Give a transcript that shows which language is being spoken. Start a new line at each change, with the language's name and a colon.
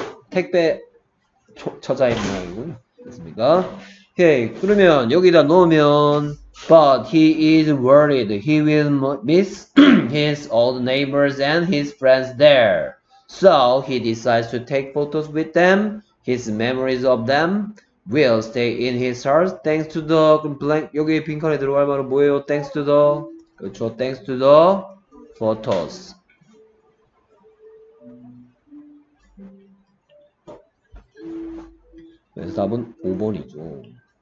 Korean: 택배 처자인 모양이군요. 됐습니까? 오케이. 그러면 여기다 놓으면
English: But he is worried he will miss his old neighbors and his friends there. So he decides to take photos with them. His memories of them will stay in his heart thanks to the blank.
Korean: 여기 빈칸에 들어갈 말은 뭐예요?
English: Thanks to the
Korean: 그렇죠.
English: Thanks to the photos.
Korean: 그래서 답은 5번이죠.